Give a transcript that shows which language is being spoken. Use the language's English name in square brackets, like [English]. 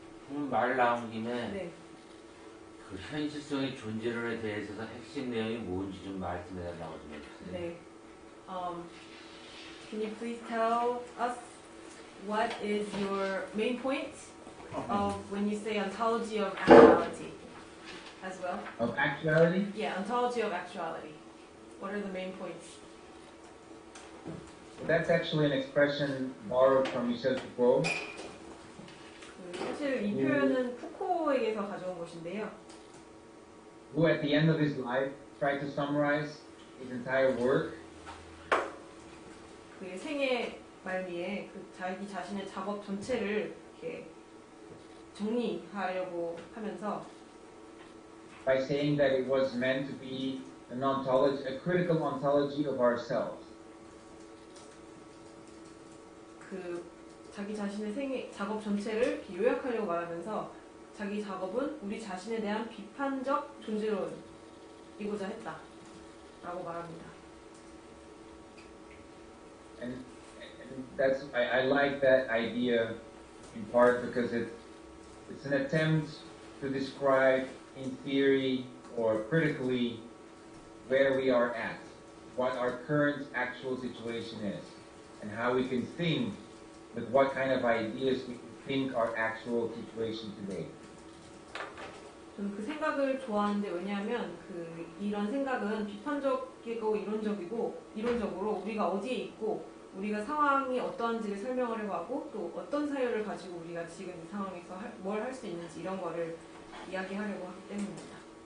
[Korean] 오늘 말 나온 김에 네. 그 현실성의 존재론에 대해서 핵심 내용이 뭔지 좀 말씀해달라고 좀 해주세요. 네. [English] Can you please tell us what is your main point of when you say ontology of actuality as well? Of actuality? Yeah, ontology of actuality. What are the main points? That's actually an expression borrowed from Michel Foucault. [Korean] 사실 이 표현은 푸코에게서 가져온 것인데요. [English] Who at the end of his life tried to summarize his entire work. [Korean] 그의 생애 말미에 그 자기 자신의 작업 전체를 이렇게 정리하려고 하면서 [English] by saying that it was meant to be an ontology, a critical ontology of ourselves. [Korean] 그 자기 자신의 생애 작업 전체를 요약하려고 말하면서 자기 작업은 우리 자신에 대한 비판적 존재론이고자 했다. 라고 말합니다. [English] And that's I like that idea in part because it's an attempt to describe in theory or critically where we are at, what our current actual situation is, and how we can think with what kind of ideas we think our actual situation today. [Korean] 저는 그 생각을 좋아하는데 왜냐하면 그 이런 생각은 비판적이고 이론적이고 이론적으로 우리가 어디에 있고 우리가 상황이 어떠한지를 설명하려고 하고 또 어떤 사유를 가지고 우리가 지금 이 상황에서 뭘 할 수 있는지 이런 거를 이야기하려고 하기 때문입니다.